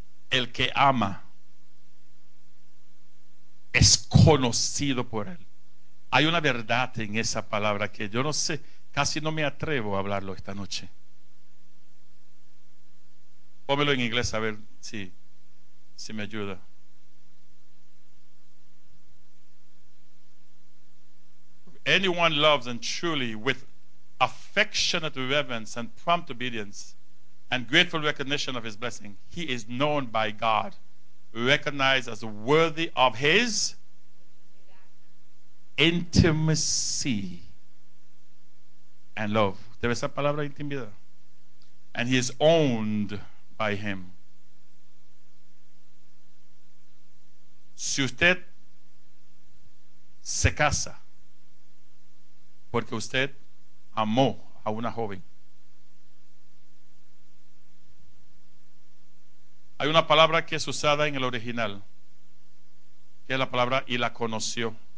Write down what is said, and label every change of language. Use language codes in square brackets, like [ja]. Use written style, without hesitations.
[es] El que ama es conocido por él. Hay una verdad en esa palabra que yo no sé, casi no me atrevo a hablarlo esta noche. Pónmelo en inglés a ver si me ayuda. [en] Anyone loves and truly with affectionate reverence and prompt obedience and grateful recognition of his blessing, he is known by God, recognized as worthy of his intimacy and love. [es] ¿Debe esa palabra intimidad? [en] And he is owned by him. [es] Si usted se casa porque usted amó a una joven, hay una palabra que es usada en el original, que es la palabra y la conoció.